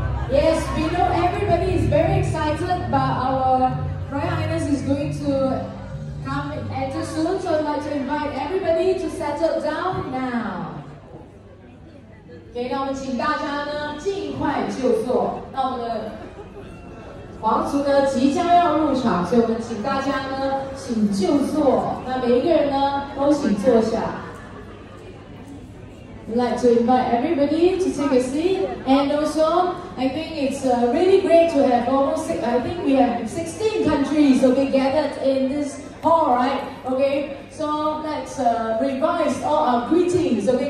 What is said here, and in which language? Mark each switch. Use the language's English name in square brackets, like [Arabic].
[English] Yes, we know everybody is very excited, but our Royal Highness is going to come enter soon, so I'd like to invite everybody to settle down now. [Chinese] Okay, 那我们请大家呢尽快就坐。那我们的皇族呢即将要入场，所以我们请大家呢请就坐。那每一个人呢都请坐下。 [English] I'd like to invite everybody to take a seat, and also I think it's really great to have almost, I think we have 16 countries, okay, gathered in this hall, right? Okay, so let's revise all our greetings, okay?